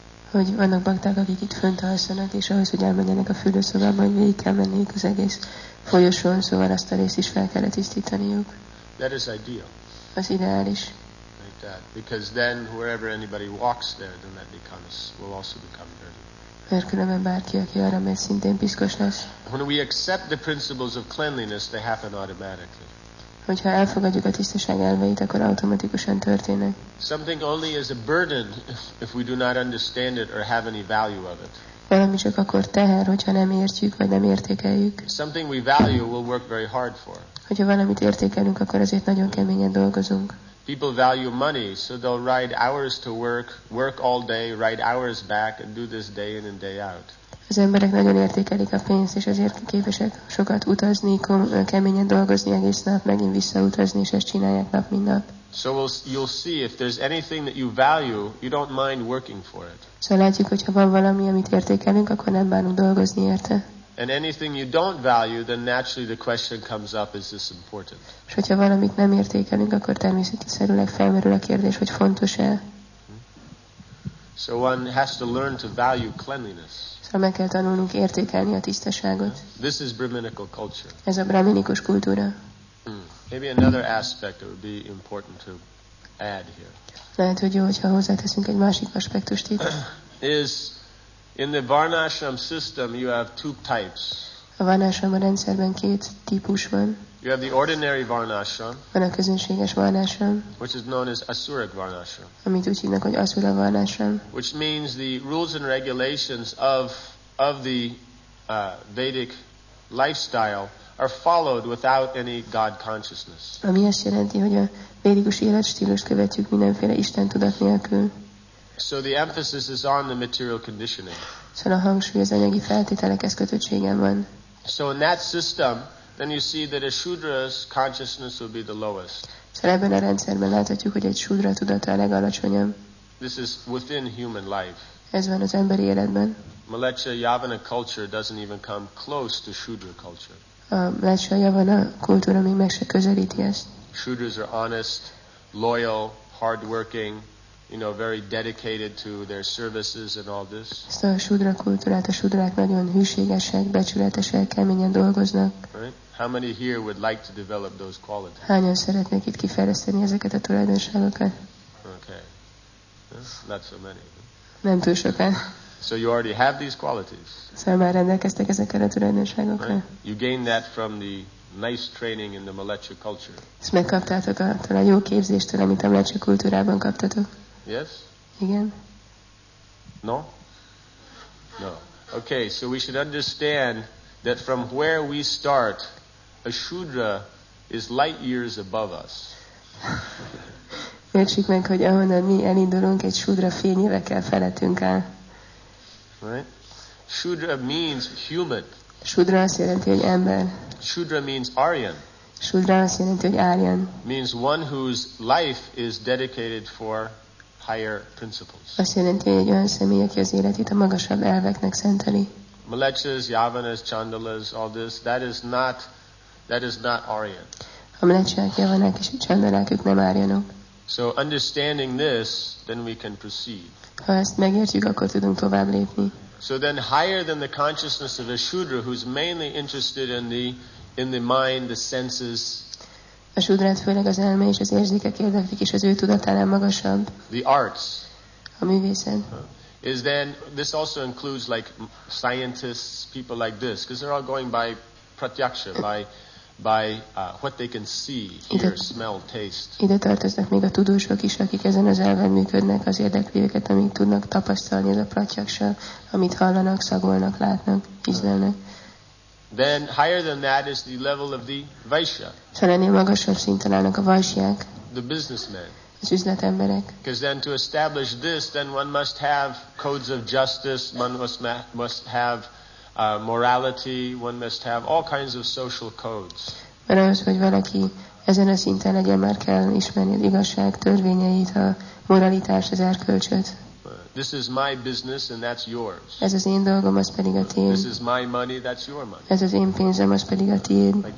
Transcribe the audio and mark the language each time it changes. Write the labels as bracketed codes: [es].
[hu] hogy vannak bakták, akik itt fönt alszanak, és ahhoz, hogy elmenjenek a fürdőszobába, hogy végig kell menniük az egész folyosón, szóval azt a részt is fel kellett tisztítaniuk. [en] That is ideal. [hu] Az ideális. [en] Like that. Because then wherever anybody walks there, then that becomes, will also become dirty. [hu] Mert különben bárki, aki arra megy, szintén piszkos lesz. [en] When we accept the principles of cleanliness, they happen automatically. [hu] Hogyha elfogadjuk a tisztaság elveit, akkor automatikusan történnek. [en] Something only is a burden if we do not understand it or have any value of it. [hu] Valami csak akkor teher, hogyha nem értjük vagy nem értékeljük. [en] Something we value will work very hard for. [hu] Hogyha valamit értékelünk, akkor azért nagyon keményen dolgozunk. [en] People value money, so they'll ride hours to work, work all day, ride hours back, and do this day in and day out. [hu] Az emberek nagyon értékelik a pénzt, és ezért képesek sokat utazni, keményen dolgozni egész nap, megint visszautazni, és ezt csinálják nap, mint nap. [en] So you'll see if there's anything that you value, you don't mind working for it. [hu] Szóval látjuk, hogyha van valami, amit értékelünk, akkor nem bánunk dolgozni érte. [en] And anything you don't value, then naturally the question comes up, is this important? [hu] És hogyha valamit nem értékelünk, akkor természetesen felmerül a kérdés, hogy fontos-e. [en] So one has to learn to value cleanliness. [hu] Szóval meg kell tanulnunk értékelni a tisztaságot. [en] This is brahminical culture. [hu] Ez a brahminikus kultúra. [en] Maybe another aspect that would be important to add here. [hu] Lehet, hogy jó, hogyha hozzáteszünk egy másik aspektust itt. [en] Is in the varnashram system you have two types. [hu] A varnashram rendszerben két típus van. [en] You have the ordinary varnashram. [hu] Van a közönséges varnashram. [en] Which is known as asurik varnashram. [hu] Amit úgy hívnak, hogy asura varnashram. [en] Which means the rules and regulations of the Vedic lifestyle are followed without any God consciousness. [hu] Ami azt jelenti, hogy a védikus életstílust követjük mindenféle Isten tudat nélkül. [en] So the emphasis is on the material conditioning. [hu] Szóval a hangsúly az anyagi feltételekhez kötöttségen van. [en] So in that system, then you see that a shudra's consciousness will be the lowest. [hu] Szóval ebben a rendszerben láthatjuk, hogy egy shudra tudata a legalacsonyabb. [en] This is within human life. [hu] Ez van az emberi életben. [en] Mlecha Yavana culture doesn't even come close to shudra culture. [hu] A Mlecha Yavana kultúra még meg se közelíti ezt. [en] Shudras are honest, loyal, hardworking, you know, very dedicated to their services and all this. [hu] Ezt a shudra kultúrát, a shudrák nagyon hűségesek, becsületesek, keményen dolgoznak. [en] Right? How many here would like to develop those qualities? [hu] Hányan szeretnék itt kifejleszteni ezeket a tulajdonságokat? [en] Okay. Not so many. [hu] Nem túl sokan. [en] So you already have these qualities. [hu] Szóval már rendelkeztek ezekkel a tulajdonságokkal. [en] Right? You gain that from the nice training in the Mlecha culture. [hu] Ezt megkaptátok attól a jó képzéstől, amit a Mlecha kultúrában kaptatok. [en] Yes? [hu] Igen. [en] No? No. Okay, so we should understand that from where we start, a shudra is light years above us. [hu] Értsük meg, hogy ahonnan mi elindulunk, egy shudra fényévekkel felettünk áll. [en] Right? Shudra means human. [hu] Shudra azt jelenti, hogy ember. [en] Shudra means Aryan. [hu] Shudra azt jelenti, hogy Aryan. [en] Means one whose life is dedicated for higher principles. [hu] Azt jelenti, hogy olyan személy, aki az életét a magasabb elveknek szenteli. [en] Mlechas, Yavanas, Chandalas, all this, that is not Aryan. [hu] A Mlechák, Yavanák és a Chandalák, ők nem Aryanok. [en] So understanding this, then we can proceed. [hu] Ha ezt megértjük, akkor tudunk tovább lépni. [en] So then higher than the consciousness of a shudra, who's mainly interested in the mind, the senses. [hu] A shudrát főleg az elme és az érzékek érdeklik, és az ő tudatánál magasabb. [en] The arts. [hu] A művészet. [en] Is then, this also includes like scientists, people like this, because they're all going by pratyaksha, by what they can see, hear, smell, taste. [hu] Ide tartoznak még a tudósok is, akik ezen az elven működnek, az érdekli őket, amik tudnak tapasztalni, ez a pratyaksa, amit hallanak, szagolnak, látnak, ízlelnek. [en] Then higher than that is the level of the vaishya. [hu] Szóval ennél magasabb szinten állnak a vaishyák. [en] The businessmen. [hu] Az üzletemberek. [en] Because then to establish this, then one must have codes of justice, one must have morality, one must have all kinds of social codes. [hu] Mert ahhoz, hogy valaki ezen a szinten legyen, már kell ismerni az igazság törvényeit, a moralitást, az erkölcsöt. [en] This is my business and that's yours. [hu] Ez az én dolgom, az pedig a tiéd. [en] This is my money, that's your money. [hu] Ez az én pénzem, az pedig a tiéd.